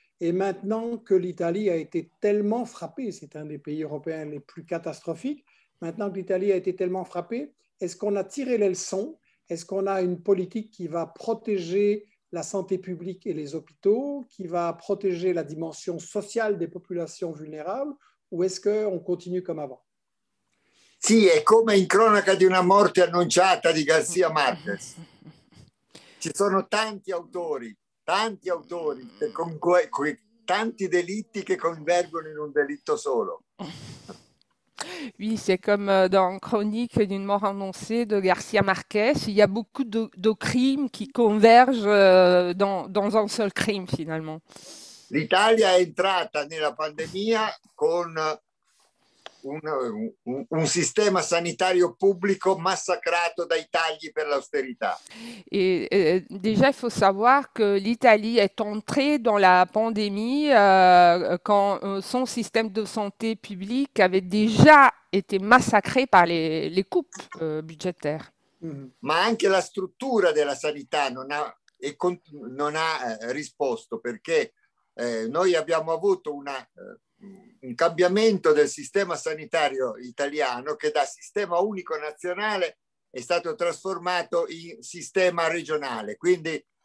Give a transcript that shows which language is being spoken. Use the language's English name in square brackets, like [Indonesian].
[French] Et maintenant que l'Italie a été tellement frappée, c'est un des pays européens les plus catastrophiques, maintenant que l'Italie a été tellement frappée, est-ce qu'on a tiré les leçons? Est-ce qu'on a une politique qui va protéger la santé publique et les hôpitaux, qui va protéger la dimension sociale des populations vulnérables, ou est-ce qu'on continue comme avant? [Italian] Sì, è come in cronaca di una morte annunciata di García Márquez. Ci sono tanti autori che con quei tanti delitti che convergono in un delitto solo. [French] Oui, c'est comme dans Chronique d'une mort annoncée de García Márquez. Il y a beaucoup de crimes qui convergent dans un seul crime, finalement. [Italian] L'Italia è entrata nella pandemia con un sistema sanitario pubblico massacrato dai tagli per l'austerità. [French] Et déjà il faut savoir que l'Italie est entrée dans la pandémie quand son système de santé publique avait déjà été massacré par les coupes budgétaires. [Italian] Ma anche la struttura della sanità non ha risposto, perché noi abbiamo avuto un cambiamento del sistema sanitario italiano che da sistema unico nazionale è stato trasformato in sistema regionale. Quindi